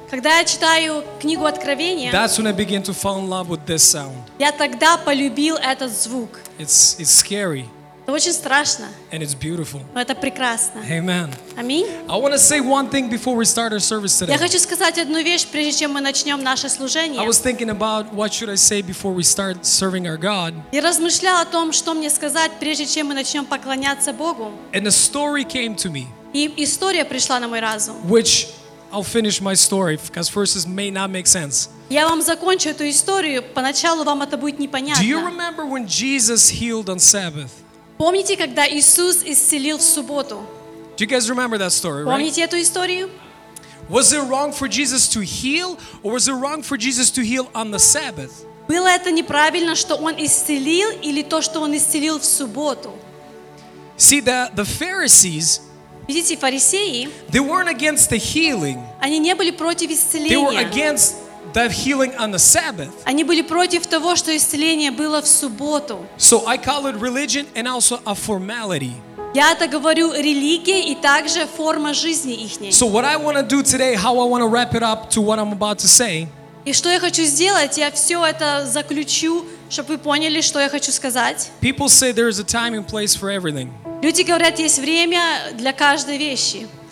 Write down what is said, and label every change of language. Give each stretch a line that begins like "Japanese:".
Russian: когда я читаю книгу Откровения,
English: that's when I began to fall in love with this sound.
Russian: Я тогда полюбил этот звук.
English: It's scary.
Russian: Это очень страшно.
English: And it's beautiful.
Russian: Но это прекрасно.
English: Amen.
Russian: Аминь.
English: I want to say one thing before we start our service today.
Russian: Я хочу сказать одну вещь, прежде чем мы начнем наше служение.
English: I was thinking about what should I say before we start serving our God.
Russian: Я размышлял о том, что мне сказать, прежде чем мы начнем поклоняться Богу.
English: And a story came to me.
Russian: И история пришла на мой разум.
English: Which I'll finish my story because verses may not make sense.
Russian: Я вам закончу эту историю. Поначалу вам это будет непонятно.
English: Do you remember when Jesus healed on Sabbath?
Russian: Помните, когда Иисус исцелил в субботу?
English: Do you guys remember that story, right?
Russian: Помните эту историю?
English: Was it wrong for Jesus to heal, or was it wrong for Jesus to heal on the Sabbath?
Russian: Было это неправильно, что он исцелил, или то, что он исцелил в субботу?
English: See the Pharisees.
Russian: Видите, фарисеи?
English: They weren't against the healing.
Russian: Они не были против исцеления.
English: They were against that healing on the Sabbath.
Russian: Они были против того, что исцеление было в субботу.
English: So I call it religion and also a formality.
Russian: Я это говорю религия и также форма жизни ихней.
English: So what I want to do today, how I want to wrap it up to what I'm about to say.
Russian: И что я хочу сделать, я все это заключу, чтобы вы поняли, что я хочу сказать.
English: People say there is a time and place for everything.
Russian: Люди говорят, есть время для каждой вещи.